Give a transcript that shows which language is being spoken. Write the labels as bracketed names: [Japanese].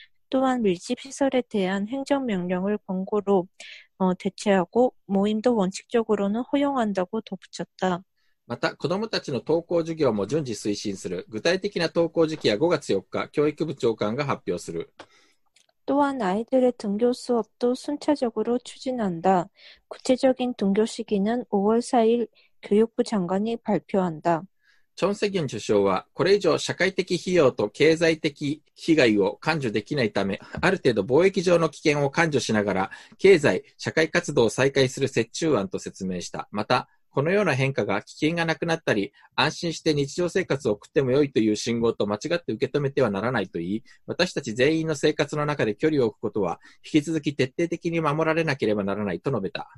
[Korean] 또한밀집시설에대한행정명령을권고로대체하고모임도원칙적으로는허용한다고덧붙였다。 [Japanese] また子どもたちの登校授業も順次推進する。具体的な登校時期は5月4日、教育部長官が発表する。 [Korean] 또한 아이들의 등교 수업도 순차적으로 추진한다. 구체적인 등교 시기는 5월 4일 교육부 장관이 발표한다. [Japanese] チョンセギュン首相は、これ以上社会的費用と経済的被害を甘受できないため、ある程度貿易上の危険を甘受しながら、経済、社会活動を再開する折衷案と説明した。また、このような変化が危険がなくなったり、安心して日常生活を送っても良いという信号と間違って受け止めてはならないと言い、私たち全員の生活の中で距離を置くことは、引き続き徹底的に守られなければならないと述べた。